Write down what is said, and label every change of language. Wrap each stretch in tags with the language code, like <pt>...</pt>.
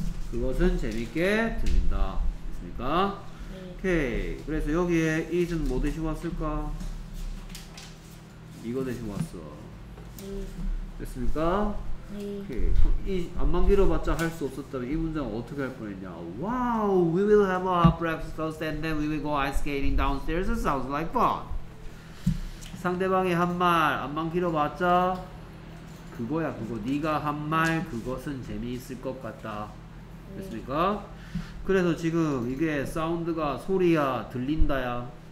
<ko>그것은 재밌게 들린다. 됐습니까? 네. 오케이. 그래서 여기에 it은 뭐 대신 왔을까? 이거 대신 왔어. 네. 됐습니까? 네. 오케이. 이 안만 길어봤자 할 수 없었다면 이 문장 어떻게 할 뻔했냐?</ko> <en>Wow, we will have a hot breakfast and then we will go ice skating downstairs. It sounds like fun.</en> <ko>상대방이 한 말 안만 길어봤자 그거야 그거. 네가 한 말 그것은 재미있을 것 같다. 됐습니까? 그래서 지금 이게 사운드가 소리야 들린다야</ko>